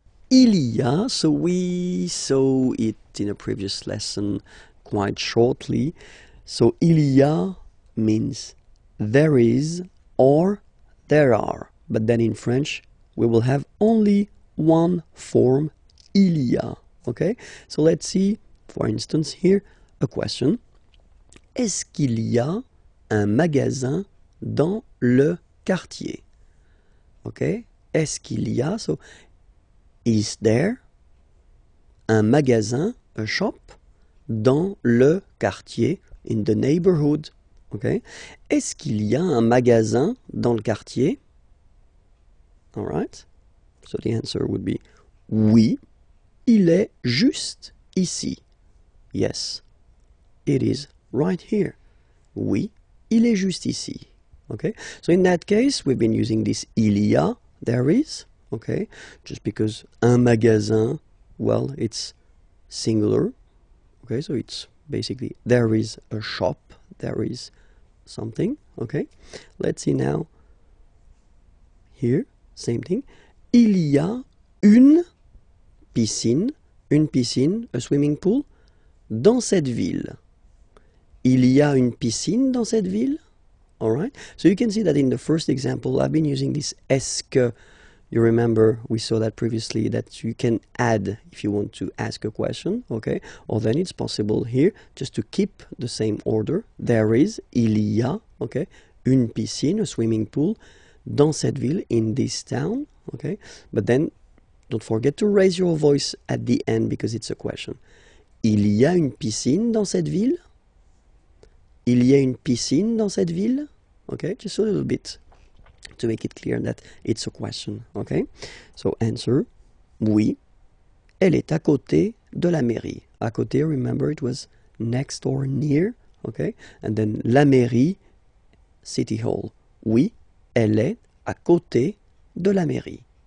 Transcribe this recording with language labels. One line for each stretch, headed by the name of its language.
French: Il y a,
English: so we saw it in a previous lesson quite shortly. So il y a means there is or there are. But then in French, we will have only one form, il y a. Okay, so let's see, for instance, here a question.
French: Est-ce qu'il y a un magasin dans le quartier?
English: Ok?
French: Est-ce qu'il y a,
English: so, is there
French: un magasin,
English: a shop,
French: dans le quartier,
English: in the neighborhood? Ok?
French: Est-ce qu'il y a un magasin dans le quartier?
English: Alright? So the answer would be
French: oui, il est juste ici.
English: Yes, it is. Right here.
French: Oui, il est juste ici.
English: Okay? So in that case, we've been using this
French: il y a,
English: there is. Okay? Just because
French: un magasin,
English: well, it's singular. Okay? So it's basically there is a shop, there is something. Okay? Let's see now. Here, same thing.
French: Il y a une piscine,
English: a swimming pool,
French: dans cette ville. Il y a une piscine dans cette ville?
English: Alright, so you can see that in the first example, I've been using this
French: est-ce que.
English: You remember, we saw that previously, that you can add if you want to ask a question, okay? Or then it's possible here, just to keep the same order. There is,
French: il y a,
English: okay?
French: Une piscine,
English: a swimming pool,
French: dans cette ville,
English: in this town, okay? But then, don't forget to raise your voice at the end, because it's a question.
French: Il y a une piscine dans cette ville? Il y a une piscine dans cette ville?
English: Okay, just a little bit to make it clear that it's a question. Okay, so answer,
French: oui, elle est à côté de la mairie. À côté,
English: remember, it was next or near. Okay, and then
French: la mairie,
English: city hall.
French: Oui, elle est à côté de la mairie.